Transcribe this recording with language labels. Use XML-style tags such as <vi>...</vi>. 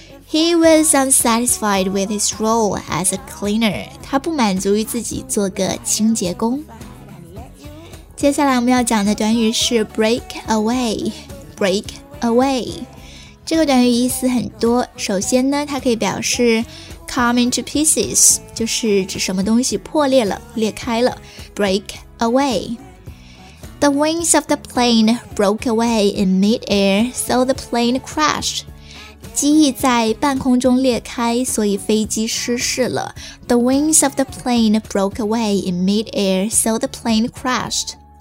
<en>He was unsatisfied with his role as a cleaner.</en> <zh>他不满足于自己做个清洁工。接下来我们要讲的短语是 break away. Break away. 这个短语意思很多。首先呢，它可以表示</zh> <en>come into pieces，</en> <zh>就是指什么东西破裂了，裂开了。</zh> <en>Break away. The wings of the plane broke away in mid-air, so the plane crashed.</en> <zh>机翼在半空中裂开，所以飞机失事了。</zh> <en>The wings of the plane broke away in mid-air, so the plane crashed.</en>